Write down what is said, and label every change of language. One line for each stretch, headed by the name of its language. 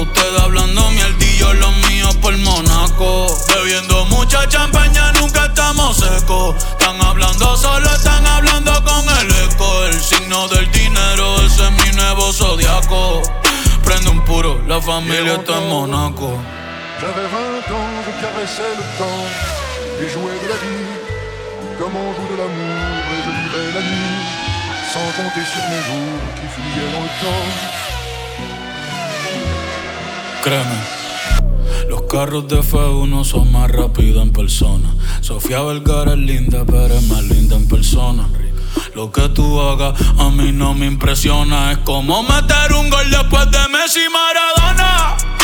Spanish: Ustedes hablando mierdillo, los míos por Monaco. Bebiendo mucha champaña, nunca estamos secos. Están hablando solo, están hablando con el eco. El signo del dinero, ese es mi nuevo zodiaco. Prende un puro, la familia está en Monaco.
French: J'avais 20 ans, je caressais le temps et jouais de la vie comme on joue de l'amour et je vivais la nuit sans compter sur mes jours qui fuyaient dans le temps.
Spanish: Créeme. Los carros de F1 son más rápidos en persona. Sofía Vergara es linda, pero es más linda en persona. Lo que tú hagas a mí no me impresiona. Es como meter un gol después de Messi y Maradona.